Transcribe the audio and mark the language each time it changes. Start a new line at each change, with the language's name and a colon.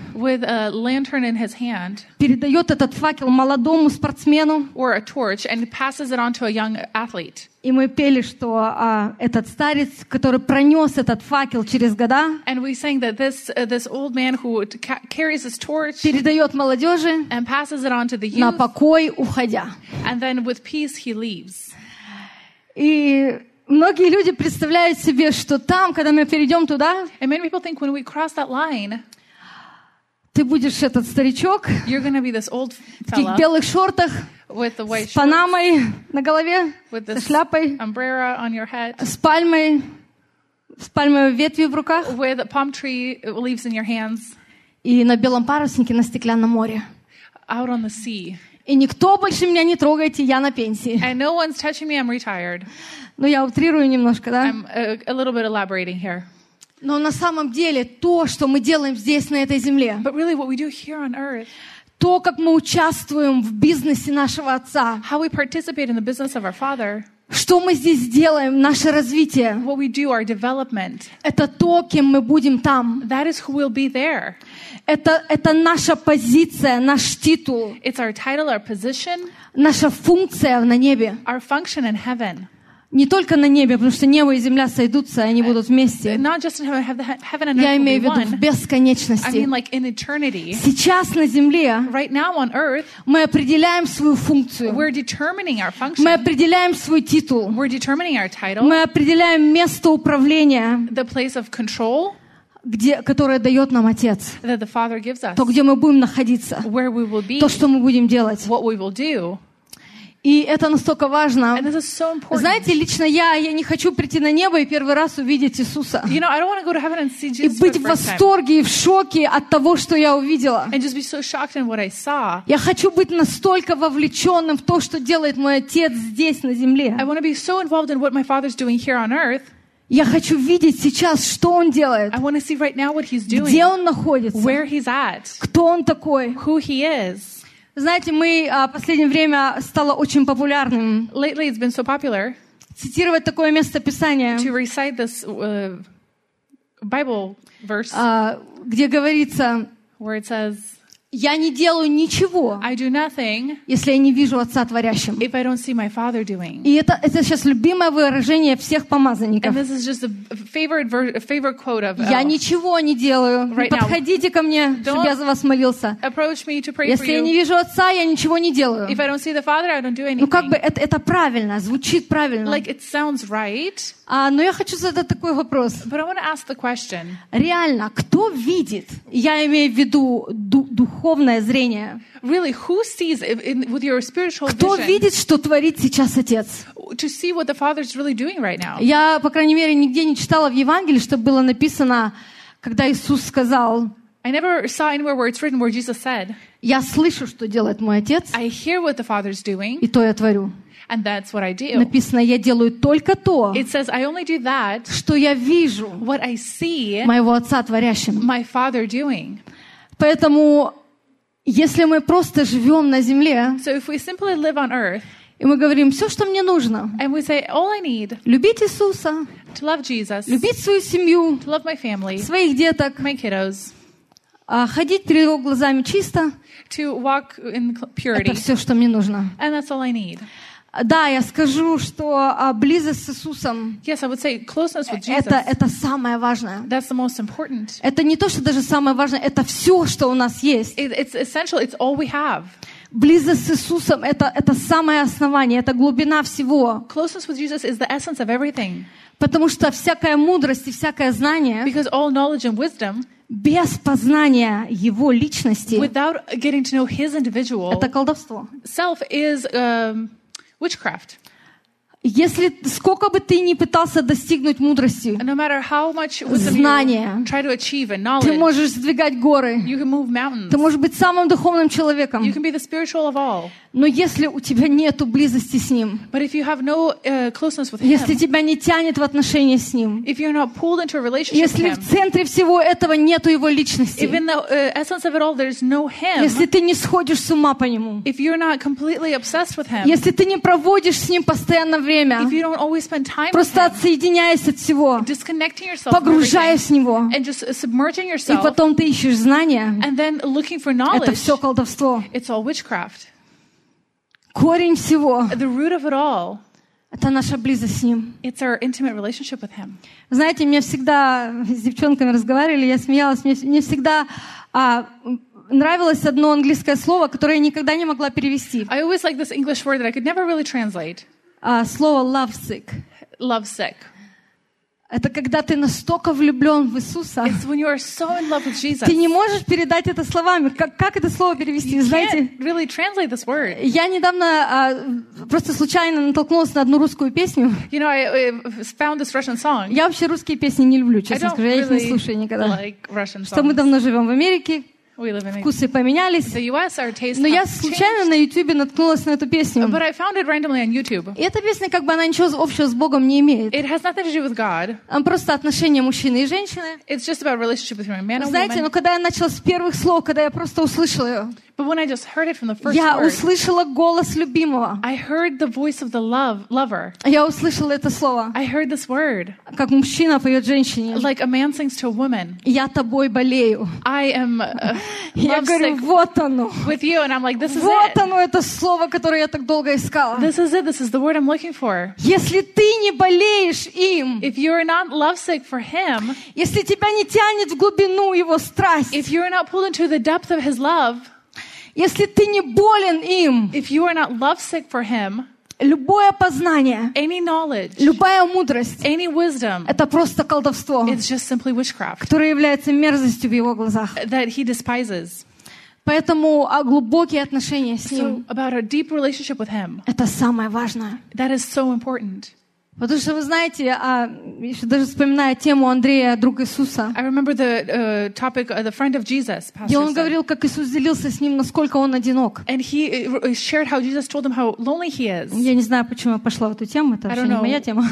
English: with a lantern in his hand,
Russian: передает этот факел молодому спортсмену,
English: or a torch, and passes it on to a young athlete.
Russian: И мы пели, что этот старец, который пронес этот факел через года,
English: and we sang that this old man who carries this torch,
Russian: передает молодежи,
English: and passes it on to the youth,
Russian: на покой уходя,
English: and then with peace he leaves.
Russian: И многие люди представляют себе, что там, когда мы перейдем туда,
English: and many people think when we cross that line,
Russian: ты будешь этот старичок,
English: you're gonna be this old fella,
Russian: в таких белых шортах,
English: with the white
Russian: с панамой
English: shirt,
Russian: на голове,
English: with this
Russian: со шляпой,
English: umbrella on your head,
Russian: с пальмой ветви в руках,
English: with palm tree leaves in your hands,
Russian: и на белом паруснике на стеклянном море.
English: Out on the sea.
Russian: И никто больше меня не трогайте, я на пенсии.
English: And no one's touching me, I'm retired.
Russian: Ну, я утрирую немножко, да?
English: I'm a little bit elaborating here.
Russian: Но на самом деле, то, что мы делаем здесь, на этой земле,
English: but really what we do here on earth,
Russian: то, как мы участвуем в бизнесе нашего отца,
English: how we participate in the business of our father,
Russian: что мы здесь делаем, наше развитие,
English: what we do, our development,
Russian: это то, кем мы будем там.
English: That is who we'll be there.
Russian: Это наша позиция, наш титул.
English: It's our title, our position,
Russian: наша функция на небе.
English: Our function in heaven.
Russian: Не только на небе, потому что небо и земля сойдутся, и они будут вместе. Я имею в виду в бесконечности.
English: I mean, like in eternity.
Russian: Сейчас на земле,
English: right now on earth,
Russian: мы определяем свою функцию.
English: We're determining our function.
Russian: Мы определяем свой титул.
English: We're determining our title.
Russian: Мы определяем место управления,
English: the place of control,
Russian: которое дает нам Отец.
English: That the Father gives us.
Russian: То, где мы будем находиться.
English: Where we will be.
Russian: То, что мы будем делать.
English: What we will do.
Russian: И это настолько важно.
English: And this is so important.
Russian: Знаете, лично я не хочу прийти на небо и первый раз увидеть Иисуса.
English: You know, I don't want to go to heaven and see Jesus.
Russian: И быть в восторге и в шоке от того, что я увидела.
English: And just be so shocked in what I saw.
Russian: Я хочу быть настолько вовлеченным в то, что делает мой Отец здесь на земле.
English: I want to be so involved in what my Father's doing here on earth.
Russian: Я хочу видеть сейчас, что он делает.
English: I want to see right now what he's doing.
Russian: Где он находится?
English: Where he's at.
Russian: Кто он такой?
English: Who he is.
Russian: Знаете, мы последнее время стало очень популярным.
English: Lately it's been so popular.
Russian: Цитировать такое место Писания.
English: To recite this Bible verse.
Russian: Где говорится.
English: Where it says.
Russian: Я не делаю ничего.
English: I do nothing.
Russian: Если я не вижу Отца творящим.
English: If I don't see my Father doing.
Russian: И это сейчас любимое выражение всех помазанников.
English: And this is just a favorite quote of.
Russian: Я ничего не делаю.
English: Right
Russian: не подходите
English: now,
Russian: ко мне, чтобы я за вас молился.
English: Approach me to pray
Russian: если
English: for you.
Russian: Если я не вижу Отца, я ничего не делаю.
English: If I don't see the Father, I don't do anything.
Russian: Ну как бы это правильно, звучит правильно.
English: Like it sounds right.
Russian: Но я хочу задать такой вопрос.
English: But I want to ask the question.
Russian: Реально, кто видит? Я имею в виду духовное зрение.
English: Really, who sees with your spiritual vision?
Russian: Кто видит, что творит сейчас Отец?
English: To see what the Father's really doing right now.
Russian: Я, по крайней мере, нигде не читала в Евангелии, чтобы было написано, когда Иисус сказал.
English: I never saw anywhere where it's written where Jesus said.
Russian: Я слышу, что делает мой Отец.
English: I hear what the Father's doing.
Russian: И то я творю.
English: And that's what I do.
Russian: Написано, я делаю только то,
English: it says, I only do that,
Russian: что я вижу,
English: what I see,
Russian: моего Отца творящим.
English: My Father doing.
Russian: Поэтому, если мы просто живем на земле,
English: so if we simply live on earth,
Russian: и мы говорим, все, что мне нужно,
English: and we say, all I need,
Russian: любить Иисуса,
English: to love Jesus,
Russian: любить свою семью,
English: to love my family,
Russian: своих деток,
English: my kiddos,
Russian: Ходить перед его глазами чисто.
English: To walk in purity.
Russian: Это все, что мне нужно.
English: And that's all I need.
Russian: Да, я скажу, что близость с Иисусом
English: yes, I would say closeness with Jesus.
Russian: Это самое важное.
English: That's the most important.
Russian: Это не то, что даже самое важное, это все, что у нас есть.
English: It's essential, it's all we have.
Russian: Близость с Иисусом это самое основание, это глубина всего.
English: Closeness with Jesus is the essence of everything.
Russian: Потому что всякая мудрость и всякое знание
English: Because all knowledge and wisdom
Russian: без познания его личности
English: without getting to know his individual
Russian: это колдовство.
English: Self is witchcraft.
Russian: Если сколько бы ты ни пытался достигнуть мудрости,
English: no matter how much
Russian: знания,
English: you try to achieve and knowledge,
Russian: ты можешь сдвигать горы,
English: you can move mountains.
Russian: Ты можешь быть самым духовным человеком,
English: you can be the spiritual of all.
Russian: Но если у тебя нету близости с Ним,
English: but if you have no, closeness with
Russian: если
English: him,
Russian: тебя не тянет в отношения с Ним,
English: if you're not pulled into a relationship
Russian: если
English: with him,
Russian: в центре всего этого нету Его личности,
English: if in the, essence of it all, there's no him,
Russian: если ты не сходишь с ума по Нему,
English: if you're not completely obsessed with him,
Russian: если ты не проводишь с Ним постоянно время,
English: If you don't always spend time
Russian: просто
English: with him,
Russian: отсоединяясь от всего,
English: disconnecting yourself
Russian: погружаясь
English: from everything,
Russian: в него,
English: and just submerging yourself,
Russian: и потом ты ищешь знания,
English: and then looking for knowledge,
Russian: это все колдовство.
English: It's all witchcraft.
Russian: Корень всего,
English: the root of it all,
Russian: это наша близость с ним.
English: It's our intimate relationship with him.
Russian: Знаете, мне всегда с девчонками разговаривали, я смеялась, мне всегда нравилось одно английское слово, которое я никогда не могла перевести.
English: I always liked this English word that I could never really translate.
Russian: Слово lovesick.
English: Lovesick.
Russian: Это когда ты настолько влюблен в Иисуса.
English: It's when you are so in love with Jesus.
Russian: Ты не можешь передать это словами. Как это слово перевести?
English: You
Russian: знаете?
English: Can't really translate this word.
Russian: Я недавно просто случайно натолкнулась на одну русскую песню.
English: You know, I found this Russian song.
Russian: Я вообще русские песни не люблю, честно скажу.
English: Really
Russian: я их не слушаю никогда.
English: Like Russian songs.
Russian: Что мы давно живем в Америке.
English: We live in
Russian: a... Вкусы поменялись.
English: The US, our taste
Russian: Но я случайно
English: changed.
Russian: На YouTube наткнулась на эту песню.
English: But I found it randomly on YouTube.
Russian: И эта песня, как бы она ничего общего с Богом не имеет.
English: It has nothing to do with God.
Russian: Она просто отношения мужчины и женщины.
English: It's just about relationship between a man and a woman.
Russian: Знаете, но когда я начала с первых слов, когда я просто услышала ее.
English: But when I just heard it from the first
Russian: я
English: word,
Russian: услышала голос любимого.
English: I heard the voice of the lover.
Russian: Я услышала это слово.
English: I heard this word.
Russian: Как мужчина поет женщине.
English: Like a man sings to a woman.
Russian: Я тобой болею.
English: I am
Russian: Я говорю, вот оно.
English: With you, and I'm like, this is
Russian: вот
English: it.
Russian: Оно, это слово, которое я так долго искала.
English: This is it. This is the word I'm looking for.
Russian: Если ты не болеешь им,
English: if you're not lovesick for him,
Russian: если тебя не тянет в глубину его страсть,
English: if you're not pulled into the depth of his love,
Russian: если ты не болен им,
English: if you are not lovesick for him,
Russian: любое познание,
English: any knowledge,
Russian: любая мудрость,
English: any wisdom,
Russian: это просто колдовство,
English: it's just simply witchcraft,
Russian: которое является мерзостью в его глазах.
English: That he despises.
Russian: Поэтому глубокие отношения с ним,
English: so about a deep relationship with him,
Russian: это самое важное.
English: That is so important.
Russian: Потому что вы знаете, еще даже вспоминая тему Андрея, друг Иисуса.
English: I remember the topic of the friend of Jesus, Pastor.
Russian: И он говорил, как Иисус делился с ним, насколько он одинок.
English: And he shared how Jesus told him how lonely he is.
Russian: Я не знаю, почему я пошла в эту тему, это вообще не моя тема.